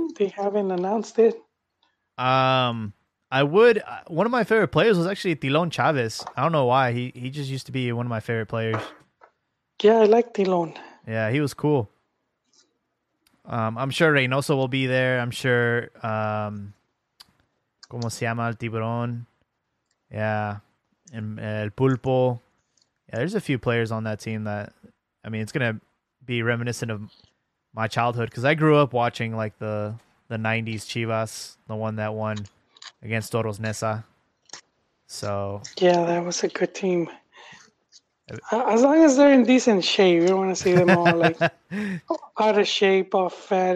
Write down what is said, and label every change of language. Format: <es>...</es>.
<en>They haven't announced it. I would. One of my favorite players was actually Tilon Chavez. I don't know why. He just used to be one of my favorite players. Yeah, I like Tilon. Yeah, he was cool. I'm sure Reynoso will be there. I'm sure.</en> <es>¿Cómo se llama el Tiburón?</es> <en>Yeah. And El Pulpo. Yeah, there's a few players on that team that, I mean, it's going to be reminiscent of my childhood, because I grew up watching like the 90s Chivas, the one that won against Toros Neza. So yeah, that was a good team. As long as they're in decent shape, you don't want to see them all like out of shape, all fat.</en>